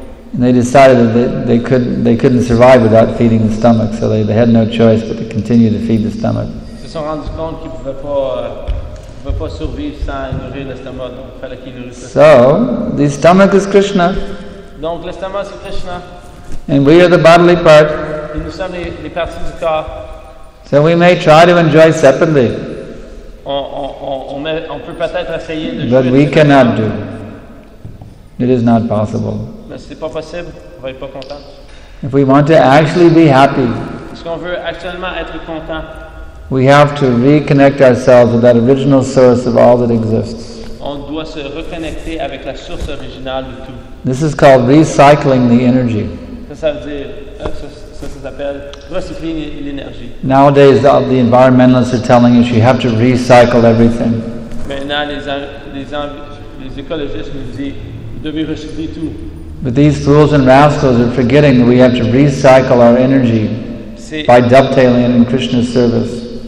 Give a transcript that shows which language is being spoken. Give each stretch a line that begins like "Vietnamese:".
English: And they decided that they couldn't survive without feeding the stomach, so they had no choice but to continue to feed the stomach.
French: Ils se sont rendus compte qu'ils ne pouvaient pas survivre sans nourrir l'estomac, donc il fallait qu'ils nourrissent.
English: So, the stomach is Krishna.
French: Donc l'estomac c'est Krishna.
English: And we are the bodily part.
French: Et nous sommes les parties du corps.
English: So we may try to enjoy separately.
French: On peut peut-être essayer de.
English: But we cannot do. It is not possible.
French: Mais c'est pas possible. On va être pas content.
English: If we want to actually be happy.
French: Est-ce qu'on veut actuellement être content?
English: We have to reconnect ourselves with that original source of all that exists.
French: On doit se reconnecter avec la source originale de tout.
English: This is called recycling the energy.
French: Ça s'appelle recycler l'énergie.
English: Nowadays, all the environmentalists are telling us you have to recycle everything.
French: Maintenant, les écologistes nous disent vous devez recycler tout.
English: But these fools and rascals are forgetting that we have to recycle our energy by dovetailing in Krishna's service.